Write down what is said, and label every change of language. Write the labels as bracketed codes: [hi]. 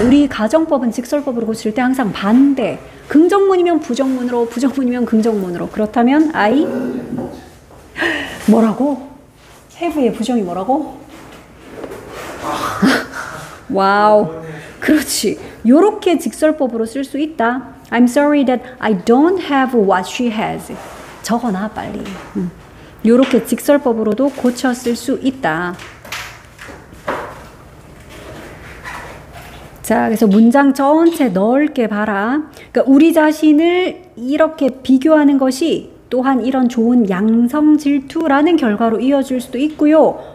[ko] 우리 가정법은 직설법으로 고칠 때 항상 반대. 긍정문이면 부정문으로, 부정문이면 긍정문으로. 그렇다면 I 뭐라고? have의 부정이 뭐라고? 와우. 그렇지. 요렇게 직설법으로 쓸수 있다. [en] I'm sorry that I don't have what she has. [ko] 적어놔 빨리. 요렇게 직설법으로도 고쳐 쓸수 있다. 자, 그래서 문장 전체 넓게 봐라. 그러니까 우리 자신을 이렇게 비교하는 것이 또한 이런 좋은 양성 질투라는 결과로 이어질 수도 있고요.